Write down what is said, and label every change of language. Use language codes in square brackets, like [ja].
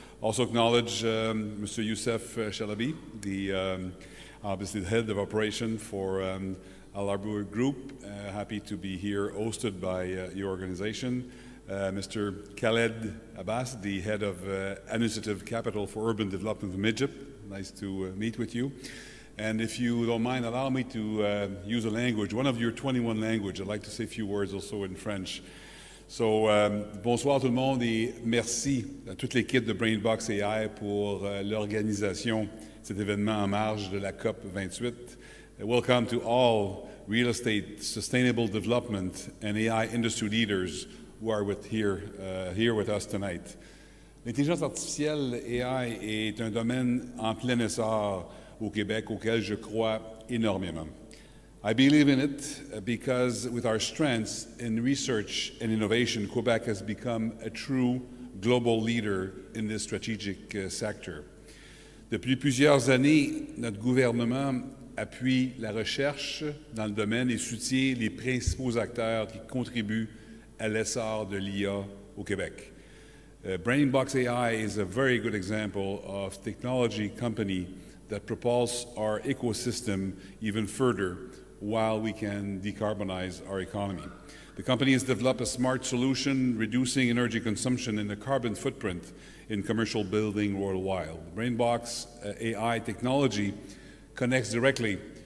[en] Also acknowledge Mr. Youssef Chalabi, the obviously the head of operation for Alarbour Group, happy to be here, hosted by your organization. Mr. Khaled Abbas, the head of Initiative Capital for Urban Development from Egypt, nice to meet with you. And if you don't mind, allow me to use a language, one of your 21 languages. I'd like to say a few words also in French. [fr] So, bonsoir tout le monde et merci à toute l'équipe de Brainbox AI pour l'organisation de cet événement en marge de la COP28. [en] Welcome to all real estate, sustainable development, and AI industry leaders who are here with us tonight. [fr] L'intelligence artificielle AI est un domaine en plein essor au Québec auquel je crois énormément. [en] I believe in it because with our strengths in research and innovation, Quebec has become a true global leader in this strategic sector. [fr] Depuis plusieurs années, notre gouvernement appuie la recherche dans le domaine et soutient les principaux acteurs qui contribuent à l'essor de l'IA au Québec. [en] Brainbox AI is a very good example of technology company that propels our ecosystem even further while we can decarbonize our economy. The company has developed a smart solution reducing energy consumption and the carbon footprint in commercial building worldwide. Brainbox AI technology connects directly